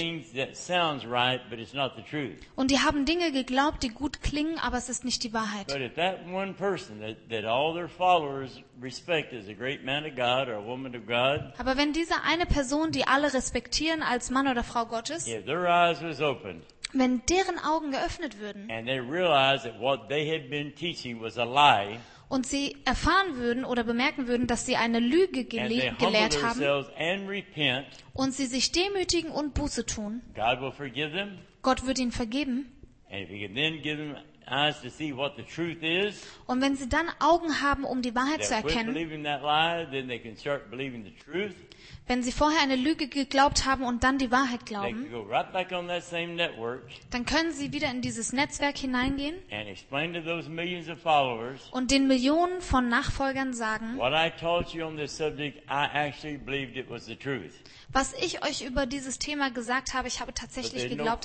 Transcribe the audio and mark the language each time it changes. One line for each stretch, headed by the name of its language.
German: Und die haben Dinge geglaubt, die gut klingen, aber es ist nicht die Wahrheit. Aber wenn eine Person, die all ihre Follower
English: respect as a great man of God or a woman of God.
German: Aber wenn diese eine Person, die alle respektieren als Mann oder Frau Gottes,
English: if their eyes was opened,
German: wenn deren Augen geöffnet würden,
English: and they realized that what they had been teaching was a lie,
German: und sie erfahren würden oder bemerken würden, dass sie eine Lüge gelehrt haben,
English: and they humble themselves and repent,
German: und sie sich demütigen und Buße tun,
English: God will forgive them.
German: Gott wird ihnen vergeben.
English: And if he can then give them eyes to see what the truth is,
German: und wenn sie dann Augen haben, um die Wahrheit zu erkennen,
English: believing that lie, then they can start believing the truth.
German: Wenn sie vorher eine Lüge geglaubt haben und dann die Wahrheit glauben,
English: they can go right back on that same network,
German: dann können sie wieder in dieses Netzwerk hineingehen
English: and explain to those millions of followers,
German: und den Millionen von Nachfolgern sagen,
English: what I taught you on this subject, I actually believed it was the truth.
German: Was ich euch über dieses Thema gesagt habe, ich habe tatsächlich geglaubt,